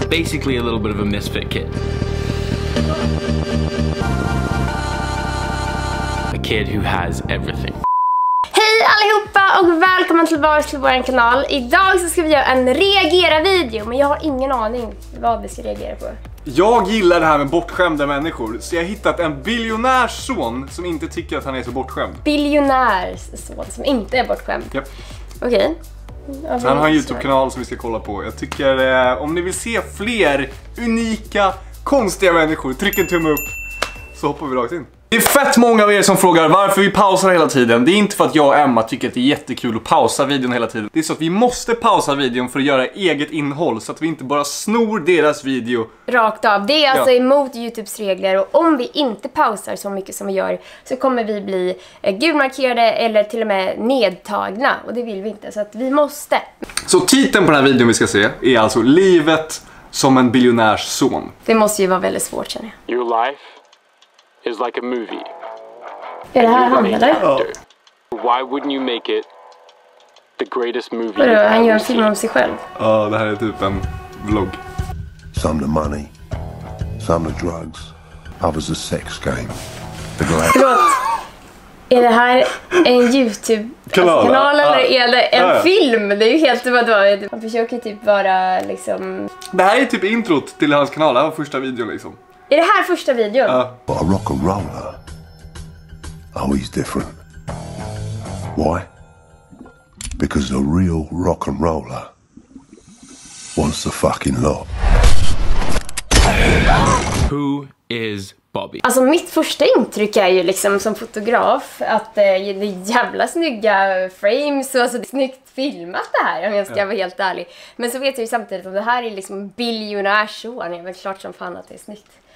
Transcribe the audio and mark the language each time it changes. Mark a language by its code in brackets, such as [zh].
[en] basically a little bit of a misfit kid. A kid who has everything. [sv] Hej allihopa och välkomna tillbaka till vår kanal. Idag så ska vi göra en reagera-video, men jag har ingen aning vad vi ska reagera på. Jag gillar det här med bortskämda människor, så jag har hittat en biljonärs son som inte tycker att han är så bortskämd. Biljonärs son som inte är bortskämd? Japp. Okej. Okay. Han har en YouTube-kanal som vi ska kolla på. Jag tycker, om ni vill se fler unika, konstiga människor, tryck en tumme upp, så hoppar vi rakt in. Det är fett många av er som frågar varför vi pausar hela tiden. Det är inte för att jag och Emma tycker att det är jättekul att pausa videon hela tiden. Det är så att vi måste pausa videon för att göra eget innehåll, så att vi inte bara snor deras video rakt av. Det är alltså emot YouTubes regler, och om vi inte pausar så mycket som vi gör så kommer vi bli gulmarkerade eller till och med nedtagna. Och det vill vi inte, så att vi måste. Så titeln på den här videon vi ska se är alltså livet som en biljonärs son. Det måste ju vara väldigt svårt, känner jag. [en] Your life is like a movie. [sv] Är det här han eller? [en] Why wouldn't you make it the greatest movie? [sv] Vadå, han gör en film om sig själv? Ja, det här är typ en vlogg. [en] Some the money, some the drugs, others the sex game. The glass. [sv] Förlåt. Är det här en YouTube-kanal eller är det en film? Det är ju helt vadå. Han försöker typ vara liksom... Det här är typ introt till hans kanal, det här var första videon liksom. Är det här första videon? [en] But a rock and roller. Oh, he's different. Why? Because a real rock and roller wants the fucking lot. Who is Bobby? [sv] Alltså mitt första intryck är ju liksom som fotograf att det är jävla snygga frames och alltså det är snyggt filmat det här, om jag ska vara helt ärlig. Men så vet jag ju samtidigt att det här är liksom biljonärsson, men klart som fan att det är snyggt.